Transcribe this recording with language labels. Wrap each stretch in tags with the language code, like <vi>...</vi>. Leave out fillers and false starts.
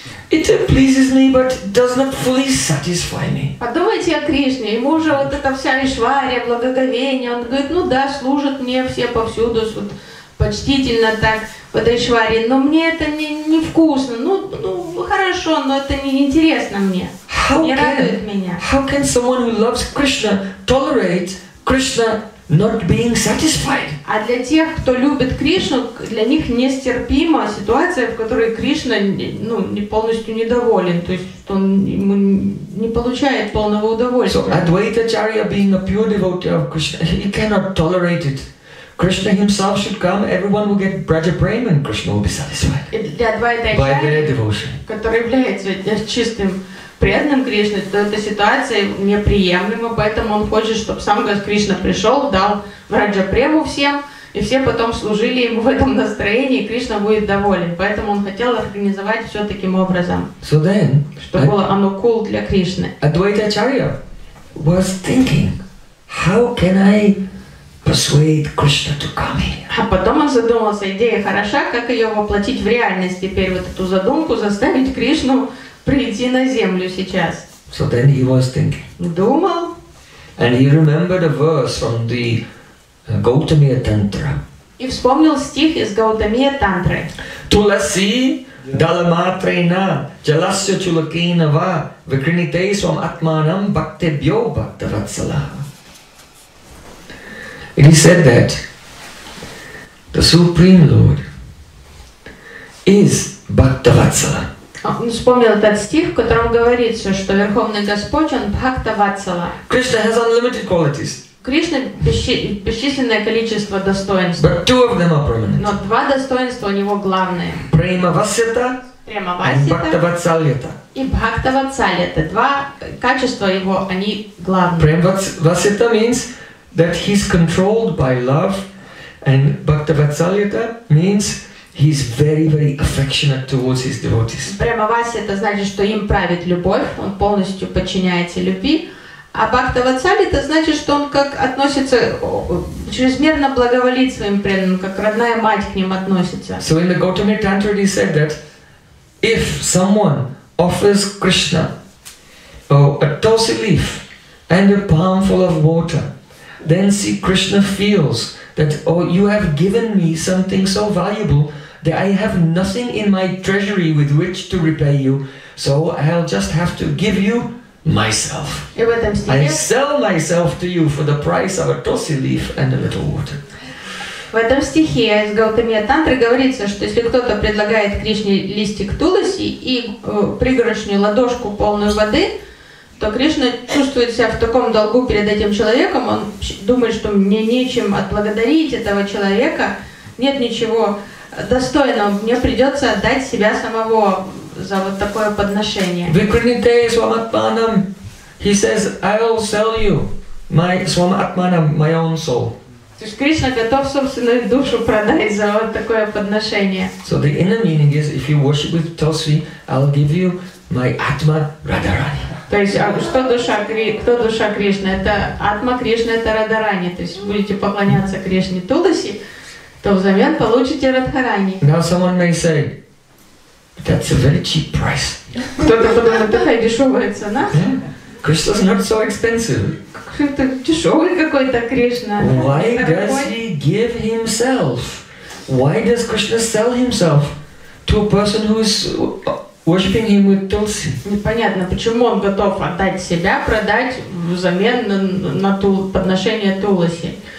<en>It pleases me, but does not fully satisfy me.</en> <ru>Подумайте о Кришне, ему уже вот эта вся Айшварья, благоговение, он говорит, ну да, служат мне все повсюду, вот почтительно так, под Айшварьей, но мне это не вкусно, ну хорошо, но это не интересно мне, не радует меня.</ru> <en>How can someone who loves Krishna tolerate Krishna not being satisfied?</en> <ru>А для тех, кто любит Кришну, для них нестерпима ситуация, в которой Кришна не полностью недоволен, то есть что он ему не получает полного удовольствия.</ru> <en>So Advaita Charya, being a pure devotee of Krishna, he cannot tolerate it. Krishna himself should come, everyone will get braja prema and Krishna will be satisfied.</en> <ru>И для Advaita Charya, который является чистым преданным Кришне, то эта ситуация неприемлема, поэтому он хочет, чтобы сам Господь Кришна пришел, дал враджа прему всем, и все потом служили ему в этом настроении, и Кришна будет доволен. Поэтому он хотел организовать все таким образом,</ru> <en>so then,</en> <ru>чтобы было анукул для Кришны.</ru> <en>Advaita Acharya was thinking, how can I persuade Krishna to come here?</en> <ru>А потом он задумался, идея хороша, как ее воплотить в реальность теперь, вот эту задумку, заставить Кришну прийти на землю сейчас.</ru> <en>So then he was thinking.</en> <ru>Думал.</ru> <en>And he remembered a verse from the Gautamiya Tantra.</en> <ru>И вспомнил стих из Гаутамия Тантры.</ru> <sa>Туласи Дала матрейна, джаласья чулакейна ва, викринитей свам атманам бхакте бьо бхакта ватсала.</sa> <en>And he said that the Supreme Lord is Bhakta Vatsala.</en> <ru>Он вспомнил этот стих, в котором говорится, что Верховный Господь, он Бхакта Ватсала.</ru> <en>Krishna has unlimited qualities.</en> <ru>Кришна бесчисленное количество достоинств.</ru> <en>But two of them are prominent.</en> <ru>Но два достоинства у него главные.</ru> <en>Prema Vatsita</en> <ru>и Bhakta</ru> <en>Vatsalita.</en> <ru>И Бхакта Ватсали. Это два качества его, они главные.</ru> <en>Prema Vatsita means that he's controlled by love, and Bhakta Vatsalita means he's very, very affectionate towards his devotees.</en> <ru>Prema Vatsita значит, что им правит любовь, он полностью подчиняется любви, а Bhakta Vatsalita значит, что он как относится чрезмерно благоволит своим преданным, как родная мать к ним относится.</ru> <en>So in the Gautami Tantra he said that if someone offers Krishna a tulsi leaf and a palm full of water, then see Krishna feels that, oh, you have given me something so valuable that I have nothing in my treasury with which to repay you, so I'll just have to give you myself. I sell myself to you for the price of a tulsi leaf and a little water.</en> <ru>В этом стихе из Гаутамия Тантры говорится, что если кто-то предлагает Кришне листик туласи и пригоршню ладошку полную воды, то Кришна чувствует себя в таком долгу перед этим человеком, он думает, что мне нечем отблагодарить этого человека, нет ничего достойного, мне придется отдать себя самого за вот такое подношение.</ru> <sa>Викринитей сваматтманам,</sa> <en>he says, I will sell you my сваматтманам, my own soul.</en> <ru>То есть Кришна готов собственную душу продать за вот такое подношение.</ru> <en>So the inner meaning is, if you worship with Tulsi, I'll give you my Atma Radharani.</en> <ru>То есть, а что душа, кто душа Кришны? Это Атма Кришна, это Радарани. То есть, будете поклоняться Кришне Туласи, то взамен получите Радхарани.</ru> <en>Now someone may say, that's a very cheap price.</en> <ru>Кто-то подумает, такая дешевая цена.</ru> <en>Krishna's not so expensive.</en> <ru>Какой-то дешевый какой-то Кришна.</ru> <en>Why does he give himself? Why does Krishna sell himself to a person who is worshipping him with tulsi?</en> <ru>Непонятно, почему он готов отдать себя, продать взамен на подношение туласи.</ru>